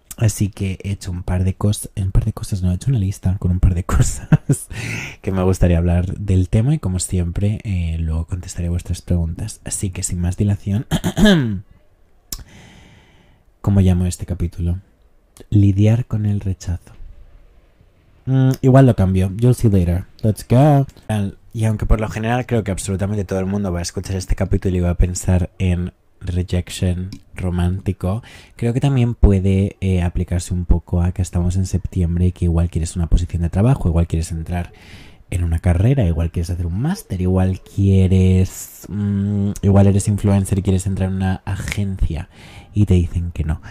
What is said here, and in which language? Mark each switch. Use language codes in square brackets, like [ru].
[es] Así que he hecho he hecho una lista con un par de cosas que me gustaría hablar del tema y como siempre luego contestaré vuestras preguntas. Así que sin más dilación, ¿cómo llamo este capítulo? Lidiar con el rechazo. Igual lo cambio, [en] you'll see later, let's go. [es] Y aunque por lo general creo que absolutamente todo el mundo va a escuchar este capítulo y va a pensar en rejection romántico, creo que también puede aplicarse un poco a que estamos en septiembre y que igual quieres una posición de trabajo, igual quieres entrar en una carrera, igual quieres hacer un máster, igual quieres igual eres influencer y quieres entrar en una agencia y te dicen que no.